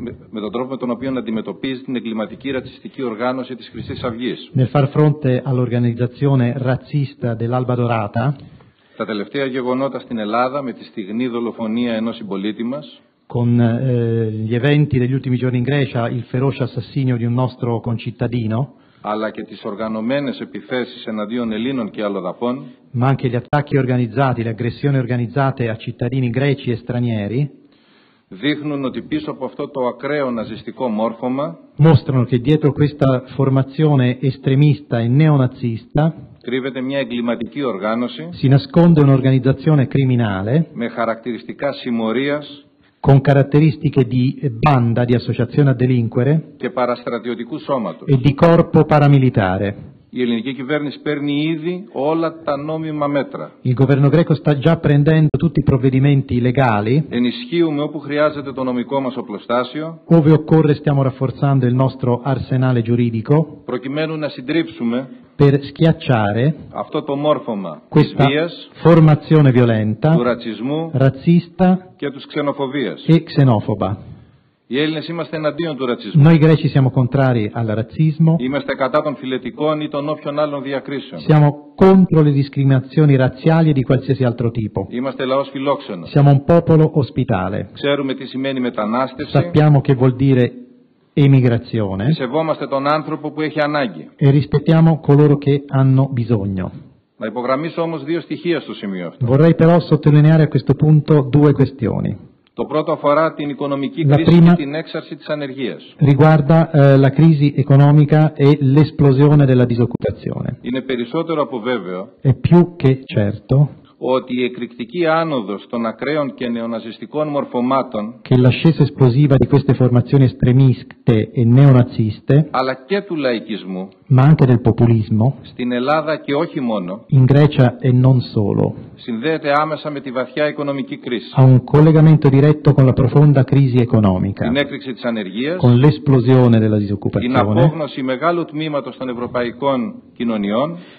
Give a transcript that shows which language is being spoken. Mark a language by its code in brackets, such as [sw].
[el] με τον τρόπο με τον οποίο αντιμετωπίζει την εγκληματική ρατσιστική οργάνωση της Χρυσής Αυγής. [it] Nel far fronte all'organizzazione razzista dell'Alba Dorata. [el] Τα τελευταία γεγονότα στην Ελλάδα με τη στιγμή δολοφονία ενός συμπολίτη μας. [it] Con gli eventi degli ultimi giorni in Grecia, il feroce assassinio di un nostro concittadino. [el] Αλλά και τις οργανωμένες επιθέσεις εναντίον Ελλήνων και αλλοδαπών. [it] Ma anche gli attacchi organizzati, le aggressioni organizzate a cittadini greci e stranieri. [el] Δείχνουν ότι πίσω από αυτό το ακραίο ναζιστικό μόρφωμα [it] mostrano che dietro questa formazione estremista e neonazista [el] κρύβεται μια εγκληματική οργάνωση [it] si nasconde un'organizzazione criminale [el] με χαρακτηριστικά συμμορίας [it] con caratteristiche di banda, di associazione a delinquere [el] και παραστρατιωτικού σώματος [it] e di corpo paramilitare. [el] Η ελληνική κυβέρνηση παίρνει ήδη όλα τα νόμιμα μέτρα. [it] Il governo greco sta già prendendo tutti i provvedimenti legali. [el] Ενισχύουμε όπου χρειάζεται το νομικό μας οπλοστάσιο. [it] Ove occorre stiamo rafforzando il nostro arsenale giuridico. [el] Προκειμένου να συντρίψουμε [it] per schiacciare [el] αυτό το μόρφωμα [it] questa [el] βίας, [it] formazione violenta [el] του ρατσισμού, [it] razzista [el] και τους ξενοφοβίας. [it] E xenofoba. [el] Οι Έλληνες είμαστε εναντίον του ρατσισμού. [it] Noi greci siamo contrari al razzismo. [el] Είμαστε κατά των φυλετικών ή των όποιων άλλων διακρίσεων. [it] Siamo contro le discriminazioni razziali e di qualsiasi altro tipo. [el] Είμαστε λαός φιλόξενο. [it] Siamo un popolo ospitale. [el] Ξέρουμε τι σημαίνει μετανάστευση. [it] Sappiamo che vuol dire emigrazione. [el] Και σεβόμαστε τον άνθρωπο που έχει ανάγκη. [it] E rispettiamo coloro che hanno bisogno. [el] Να υπογραμμίσω όμως δύο στοιχεία στο σημείο αυτό. [it] Vorrei però sottolineare a questo punto due questioni. [el] Το πρώτο αφορά την οικονομική κρίση και την έξαρση της ανεργίας. [it] Riguarda la crisi economica e l'esplosione della disoccupazione. [el] Είναι περισσότερο από βέβαιο. [it] È più che certo. [el] Ότι η εκρηκτική άνοδος των ακραίων και νεοναζιστικών μορφωμάτων. [it] Che l'ascesa esplosiva di queste formazioni estremiste e neonaziste. [el] Αλλά και του λαϊκισμού. [it] Ma anche del populismo. [el] Στην Ελλάδα και όχι μόνο. [it] In Grecia e non solo. [el] Συνδέεται άμεσα με τη βαθιά οικονομική κρίση. [it] Ha un collegamento diretto con la profonda crisi economica. [el] Την έκρηξη της ανεργίας. [it] Con l'esplosione della disoccupazione. [el] Την απόγνωση μεγάλου τμήματος των ευρωπαϊκών κοινωνιών.